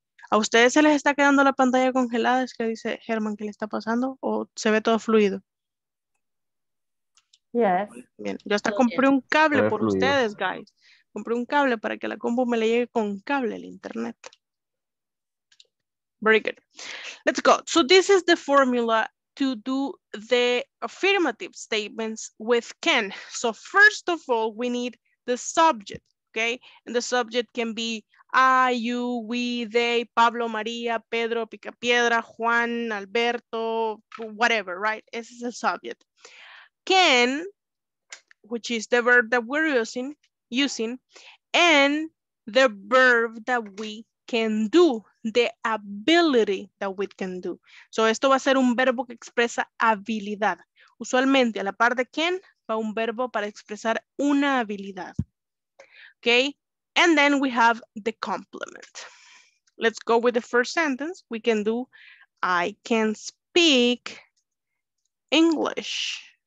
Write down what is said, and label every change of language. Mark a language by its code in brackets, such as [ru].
[es] ¿A ustedes se les está quedando la pantalla congelada? Es que dice Germán que le está pasando. ¿O se ve todo fluido? [en] Yes. [es] Bien, yo hasta compré un cable por ustedes, guys. Compré un cable para que la combo me le llegue con cable al internet. [en] Very good. Let's go. So this is the formula to do the affirmative statements with can. So first of all, we need the subject, okay? And the subject can be I, you, we, they, Pablo, María, Pedro, Picapiedra, Juan, Alberto, whatever, right? [es] Ese es el subject. [en] Can, which is the verb that we're using, and the verb that we can do, the ability that we can do. [es] So esto va a ser un verbo que expresa habilidad. Usualmente a la par de can va un verbo para expresar una habilidad. [en] Okay, and then we have the complement. Let's go with the first sentence. We can do, I can speak English.